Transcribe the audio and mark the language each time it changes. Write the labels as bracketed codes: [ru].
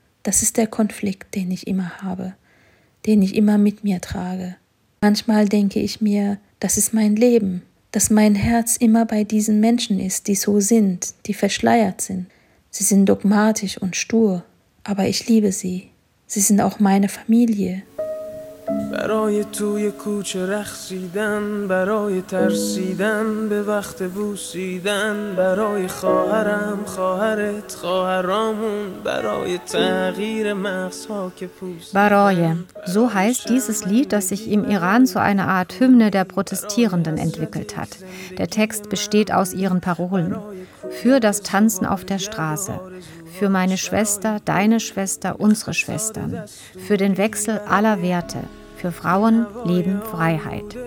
[de] Das ist der Konflikt, den ich immer habe, den ich immer mit mir trage. Manchmal denke ich mir, das ist mein Leben, dass mein Herz immer bei diesen Menschen ist, die so sind, die verschleiert sind. Sie sind dogmatisch und stur, aber ich liebe sie. Sie sind auch meine Familie. [fa] برای توی کوچه رقصیدن، برای ترسیدن، به وقت بوسیدن، برای خواهرم، خواهرت، خواهرامون، برای تغییر مغزها که پوست. برای، [de] so heißt dieses Lied, das sich im Iran zu einer Art Hymne der Protestierenden entwickelt hat. Der Text besteht aus ihren Parolen. Für das Tanzen auf der Straße. Für meine Schwester, deine Schwester, unsere Schwestern. Für den Wechsel aller Werte. Für Frauen, Leben, Freiheit.